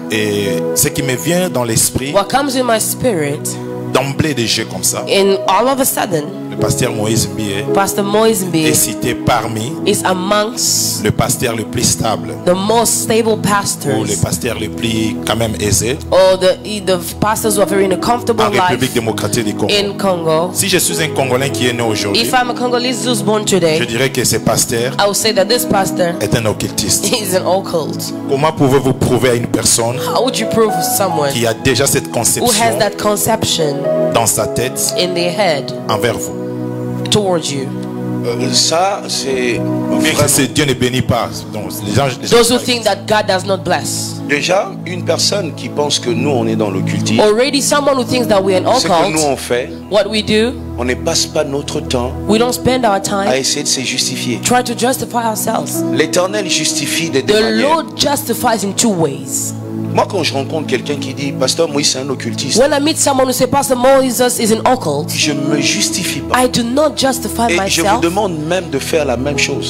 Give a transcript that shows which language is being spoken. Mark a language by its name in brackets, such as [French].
[French] Et ce qui me vient dans l'esprit, [English] what comes in my spirit, [French] d'emblée des jeux comme ça, [English] in all of a sudden, [French] Pasteur Moïse Mbiye, [English] Pastor Moise Mbiye [French] est cité parmi [English] is amongst [French] le pasteur le plus stable, [English] the most stable pastors, [French] ou le pasteur le plus quand même aisé, [English] or the pastors who are very in a comfortable [French] en République démocratique du Congo. [English] In Congo. [French] Si je suis un Congolais qui est né aujourd'hui, [English] if I'm a Congolese who's born today, [French] je dirais que ce pasteur, [English] I would say that this pastor [French] est un occultiste. [English] He's an occult. [French] Comment pouvez-vous prouver à une personne, [English] how would you prove someone [French] qui a déjà cette conception, [English] who has that conception [French] dans sa tête, [English] in their head, [French] envers vous? [English] Towards you. [French] Ça, c'est vraiment, Dieu ne bénit pas. Donc, les [English] those who think that God does not bless. [French] Déjà, une personne qui pense que nous on est dans l'occultisme. [English] Already someone who thinks that we are an occult. [French] C'est que nous on fait. [English] What we do. [French] On ne passe pas notre temps. [English] We don't spend our time. [French] À essayer de se justifier. [English] Try to justify ourselves. [French] L'Éternel justifie de deux [English] the [French] manières. [English] The Lord justifies in two ways. [French] Moi, quand je rencontre quelqu'un qui dit Pasteur Moïse est un occultiste, [English] when I meet someone who says Pastor Moïse is an occult, [French] je me justifie pas. [English] I do not justify [French] et [English] myself. [French] Et je vous demande même de faire la même chose.